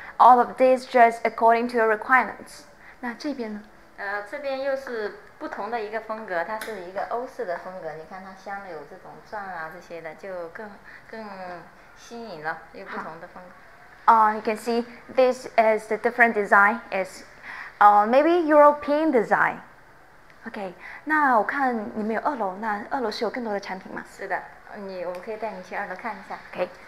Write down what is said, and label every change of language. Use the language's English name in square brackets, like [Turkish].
[English] All of these just according to your requirements. [Chinese] 那这边呢? 这边又是不同的一个风格，它是一个欧式的风格，你看它镶了有这种钻啊这些的，就更新颖了，一个不同的风格。 [English] You can see this is the different design. It's maybe European design. [Chinese] Okay, 那我看你们有二楼，那二楼是有更多的产品吗? 是的。我们可以带你去二楼看一下。OK,